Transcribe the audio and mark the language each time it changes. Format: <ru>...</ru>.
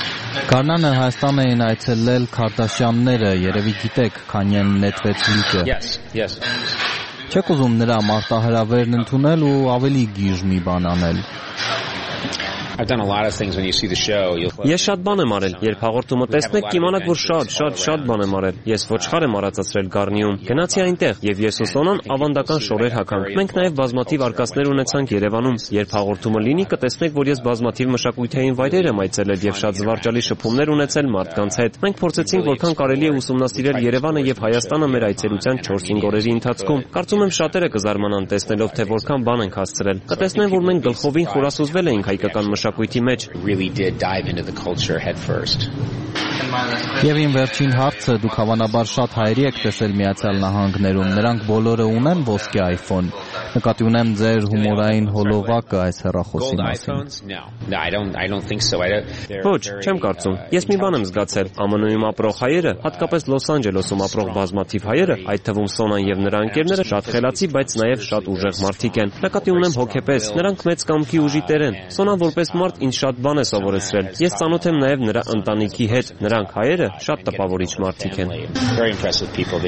<hy>Կարնանը Հայաստան էին այցելել Քարդաշյանները, երևի գիտեք, քանի են նետվեց լիկը։</hy> <en>Yes.</en> <hy>Չեք ուզում նրա մարտահրավերն ընդունել ու ավելի գիժ մի բան անել։</hy> <en>I've done a lot of things when you see the show you'll</en> <hy>Ես շատ բան եմ արել, երբ հաղորդումը տեսնեք, կիմանաք, որ շատ բան եմ արել։ Ես ոչխար եմ առածացրել Գառնիում։ Գնացի այնտեղ եւ ես ու Սոնան ավանդական շորեր հագանք։ Մենք նաեւ բազմաթիվ արկածներ ունեցանք Երևանում, երբ հաղորդումը լինի, կտեսնեք, որ ես բազմաթիվ մշակութային վայրեր եմ այցելել եւ շատ զվարճալի շփումներ ունեցել մարդկանց հետ։ Մենք փորձեցինք որքան կարելի է ուսումնասիրել Երևանը եւ Հայաստանը մեր այցելության 4-5 օրերի ընթացքում։ Կարծում եմ շատերը կզարմանան տեսնելով թե որքան բան ենք հասցրել։ Կտեսնեն, որ մենք գլխովին խորասուզվել ենք հայկական շակույտի մեջ.</hy> <en>Really did dive into the culture head first.</en> <hy>Եվ իմ վերջին հարցը, դուք հավանաբար շատ հայերի եք տեսել Միացյալ Նահանգներում, նրանք բոլորը ունեն ոսկե iPhone։ Նկատի ունեմ ձեր հումորային հոլովակը այս հեռախոսի մասին։</hy> <en>I don't think so.</en> <hy>Ոչ, չեմ կարծում։ Ես մի բան եմ զգացել, ԱՄՆ-ում ապրող հայերը, հատկապես Լոս Անջելոսում ապրող բազմաթիվ հայերը, այդ թվում Սոնան եւ նրա ընկերները, շատ խելացի, բայց նաեւ շատ ուժեղ մարդիկ են։ Նկատի ունեմ հոգեպես, նրանք մեծ կամքի ուժի տեր են։ Սոնան որպես մարդ ինձ շատ բան է սովորեցրել։ Ես ծանոթ եմ նաեւ նրա ընտանիքի հետ, նրանք հայերը շատ տպավորիչ մարդիկ են։</hy>